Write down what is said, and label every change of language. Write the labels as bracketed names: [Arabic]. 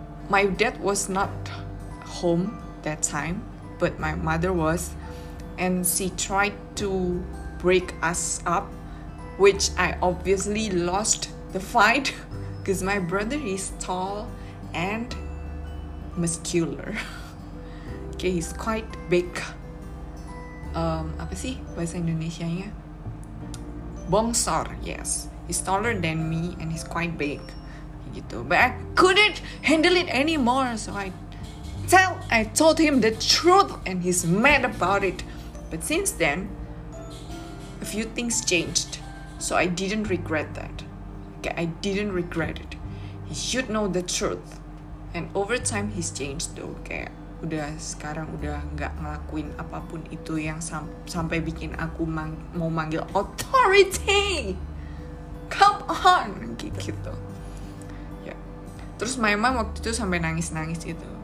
[English] My dad was not home that time, but my mother was, and she tried to break us up, which I obviously lost the fight because my brother is tall and muscular. Okay, he's quite big. [Indonesian] Apa sih bahasa Indonesianya? Bongsor, yes. [English] He's taller than me and he's quite big. Gitu. But I couldn't handle it anymore, so I told him the truth and he's mad about it. But since then, a few things changed. So I didn't regret that. Okay, I didn't regret it. He should know the truth. And over time he's changed though. Okay. [Indonesian] Udah sekarang udah enggak ngelakuin apapun itu yang sampai bikin aku mau manggil authority. [English] Come on, [Indonesian] gitu. Ya. Terus [English] my mom [Indonesian] waktu itu sampai nangis-nangis gitu.